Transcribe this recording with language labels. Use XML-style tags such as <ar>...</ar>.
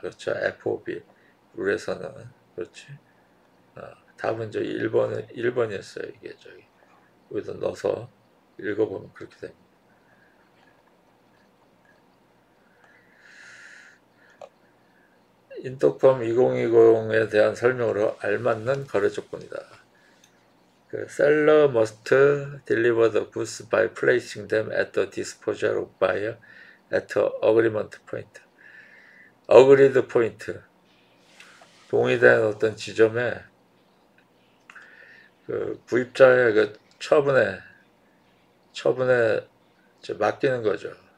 <ko>그렇죠. FOB 룰에서는. 그렇지. 답은 저 1번이었어요. 이게 저기. 여기다 넣어서 읽어보면 그렇게 됩니다. 인터펌 2020에 대한 설명으로 알맞는 거래 조건이다.</ko> <en>그 seller must deliver the goods by placing them at the disposal of buyer at the agreement point. Agreed point.</en> <ko>동의된 어떤 지점에 그 구입자의 그 처분에 저 맡기는 거죠.</ko>